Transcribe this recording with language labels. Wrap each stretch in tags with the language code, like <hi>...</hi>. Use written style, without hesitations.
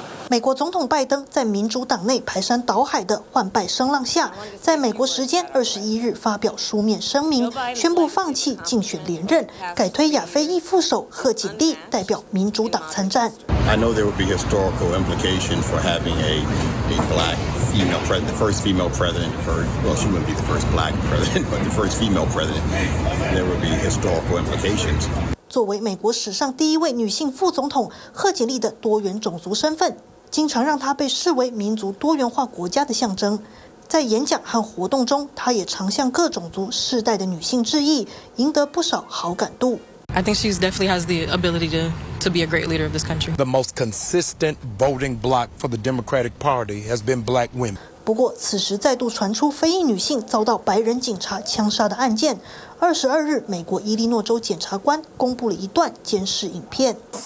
<zh>美国总统拜登在民主党内排山倒海的换败声浪下，在美国时间21日发表书面声明，宣布放弃竞选连任，改推亚非裔副手贺锦丽代表民主党参战。</zh> <en>I know there would be historical implication for having a black female president, the first female president, well, she wouldn't be the first black president, but the first female president. There would be historical implications.</en> <zh>作为美国史上第一位女性副总统，贺锦丽的多元种族身份经常让她被视为民族多元化国家的象征。在演讲和活动中，她也常向各种族世代的女性致意，赢得不少好感度。</zh> <en>I think she definitely has the ability to be a great leader of this country. The most consistent voting bloc for the Democratic Party has been black women.</en> <zh>不过，此时再度传出非裔女性遭到白人警察枪杀的案件。 22日，美国伊利诺州检察官公布了一段监视影片。</zh>